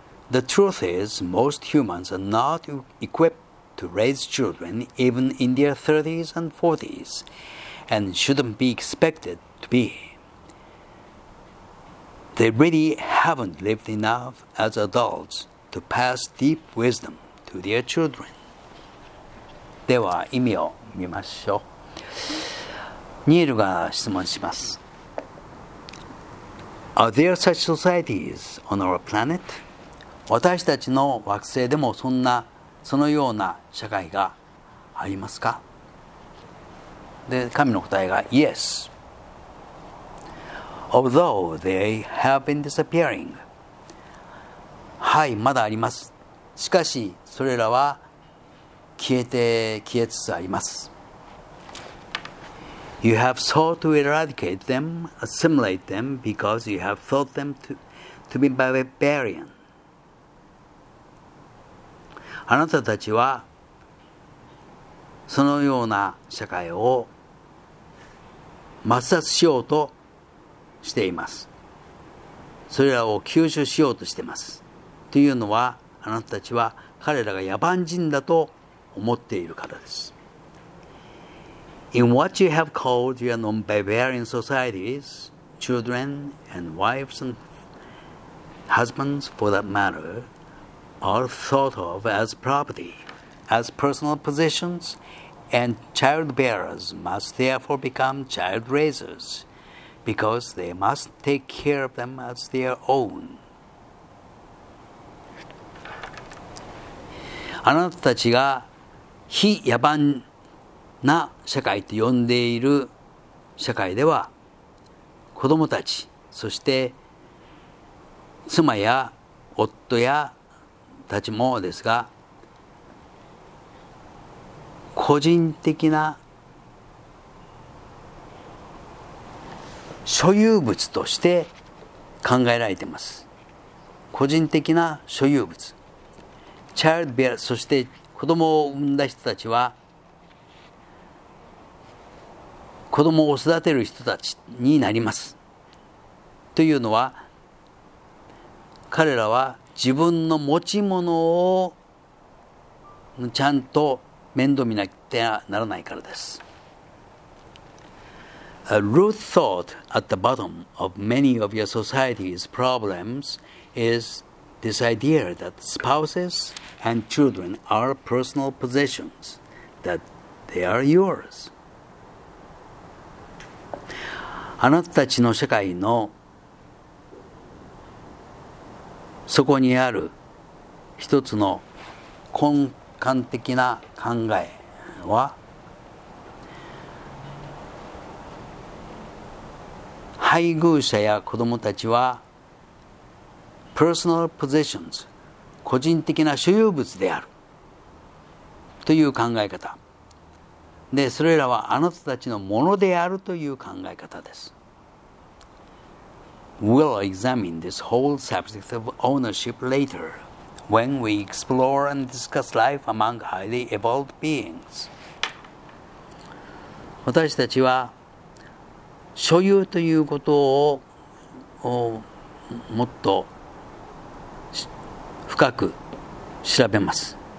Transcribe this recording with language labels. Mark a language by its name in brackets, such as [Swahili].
[English] The truth is, most humans are not equipped to raise children even in their 30s and 40s, and shouldn't be expected to be. They really haven't lived enough as adults to pass deep wisdom to their children. [Japanese] では意味を見ましょう。ニールが質問します。 [English] Are there such societies on our planet? [Japanese] 私たちの惑星でもそのような社会がありますか？で、神の答えが [English] Yes. Although they have been disappearing. [Japanese] はい、まだあります。しかし、それらは消えつつあります。 [English] You have sought to eradicate them, assimilate them, because you have thought them to be barbarian. [Japanese] あなたたちはそのような社会を抹殺しようとしています。それらを吸収しようとしています。というのは、あなたたちは彼らが野蛮人だと思っているからです。 [English] In what you have called your non-barbarian societies, children and wives and husbands, for that matter,are thought of as property, as personal possessions, and child bearers must therefore become child raisers, because they must take care of them as their own. [Japanese] あなたたちが非野蛮な社会と呼んでいる社会では、子供たち、そして妻や夫やたちもですが、個人的な所有物として考えられています。個人的な所有物、チャイルドベア、そして子供を産んだ人たちは、子供を育てる人たちになります。というのは、彼らは自分の持ち物をちゃんと面倒見なきゃならないからです。 [English] A root thought at the bottom of many of your society's problems is this idea that spouses and children are personal possessions, that they are yours. [Japanese] あなたたちの社会のそこにある一つの根幹的な考えは、配偶者や子供たちは [English] personal possessions、 [Japanese] 個人的な所有物であるという考え方で、それらはあなたたちのものであるという考え方です。 [English] We'll examine this whole subject of ownership later, when we explore and discuss life among highly evolved beings. [Japanese] 私たちは所有ということををもっと深く調べます。